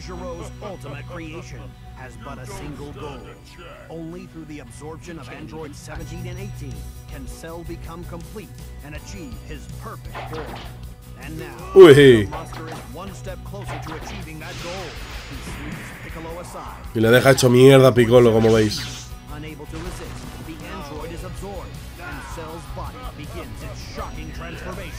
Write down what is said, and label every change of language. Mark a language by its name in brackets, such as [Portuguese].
[English] Giroux's ultimate creation has but a single goal. Only through the absorption of Android 17 and 18 can Cell become complete and achieve his perfect form. And now, uy. The monster is one step closer to achieving that goal. He sweeps Piccolo aside. [Spanish] Y le deja hecho mierda a Piccolo, como veis. [English] Unable to resist, the android is absorbed, and Cell's body begins its shocking transformation.